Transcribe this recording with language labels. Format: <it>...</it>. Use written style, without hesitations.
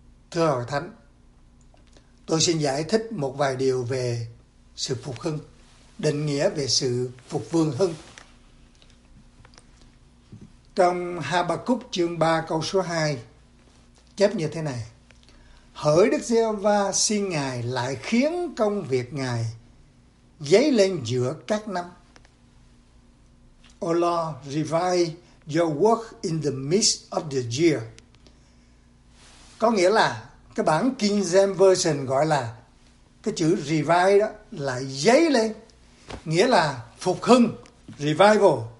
<vi>Thưa Hội Thánh, tôi xin giải thích một vài điều về sự phục hưng, định nghĩa về sự phục vương hưng. Trong Habacuc chương 3 câu số 2 chép như thế này: Hỡi Đức Giê-hô-va, xin Ngài lại khiến công việc Ngài dấy lên giữa các năm.</vi> <en>O Lord, revive your work in the midst of the year.</en> <vi>Có nghĩa là cái bản King James Version gọi là cái chữ revive đó là dấy lên, nghĩa là phục hưng, revival.</vi>